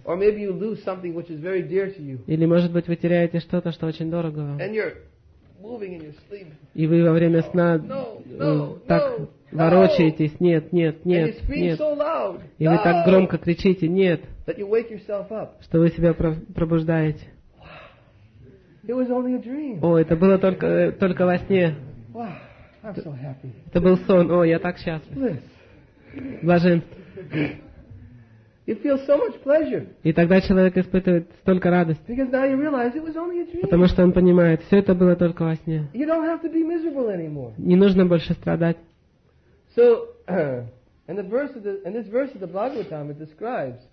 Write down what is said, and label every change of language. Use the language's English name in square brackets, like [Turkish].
[English] Or maybe you lose something which is very dear to you. [Russian] Или может быть вы теряете что-то, что очень дорого вам. [English] And you're moving in your sleep. [Russian] И вы во время сна так ворочаетесь. Нет, нет, нет, нет. И вы так громко кричите. Нет. [English] That you wake yourself up. [Russian] Что вы себя пробуждаете. [English] It was only a dream. [Russian] О, это было только во сне. [English] Wow. I'm so happy. [Russian] Это был сон. О, я так счастлив. Блаженство. [English] You feel so much pleasure. [Russian] И тогда человек испытывает столько радости. [English] Because now you realize it was only a dream. [Russian] Потому что он понимает, все это было только во сне. [English] You don't have to be miserable anymore. [Russian] Не нужно больше страдать. [English] So, in the verse of this verse of the Bhagavatam, it describes.